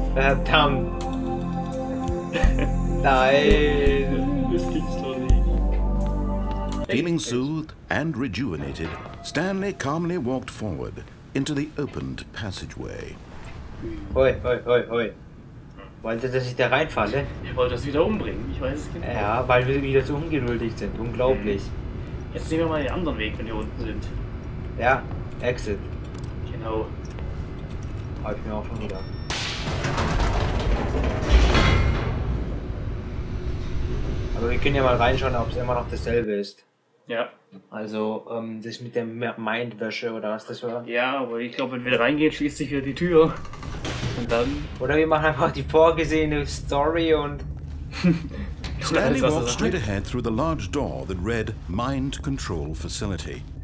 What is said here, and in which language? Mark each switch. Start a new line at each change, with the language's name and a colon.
German: Verdammt. Nein. Das gibt's doch nicht.
English: Feeling soothed and rejuvenated, Stanley calmly walked forward into the opened passageway.
German: Hoi, hoi, hoi, hoi. Wollte, dass ich da reinfalle? Er wollte das wieder umbringen, ich weiß es genau. Ja, weil wir wieder so ungeduldig sind. Unglaublich. Jetzt nehmen wir mal den anderen Weg, wenn wir unten sind. Ja. Exit. Genau. Hab ich mir auch schon wieder. Aber wir können ja mal reinschauen, ob es immer noch dasselbe ist. Ja. Also, das mit der Mindwäsche oder was das war. Ja, aber ich glaube, wenn wir reingehen, schließt sich wieder die Tür. Und dann. Oder wir machen einfach die vorgesehene Story und.
English: Stanley walked straight ahead through the large door that read Mind Control Facility.